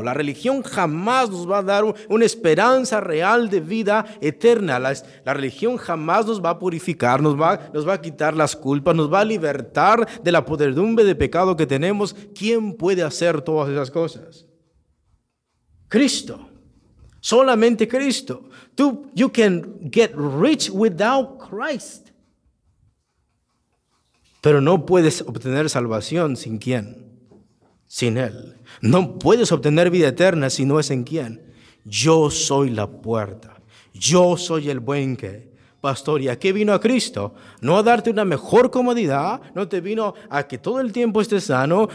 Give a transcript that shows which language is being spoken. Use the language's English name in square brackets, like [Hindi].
[Spanish] La religión jamás nos va a dar una esperanza real de vida eterna. La religión jamás nos va a purificar, nos va a quitar las culpas, nos va a libertar de la podredumbre de pecado que tenemos. ¿Quién puede hacer todas esas cosas? Cristo. Solamente Cristo. [English] You can get rich without Christ. [Spanish] Pero no puedes obtener salvación sin ¿quién? Sin Él. No puedes obtener vida eterna si no es en ¿quién? Yo soy la puerta. Yo soy el buen que pastor. ¿Y a qué vino a Cristo? No a darte una mejor comodidad. No te vino a que todo el tiempo estés sano.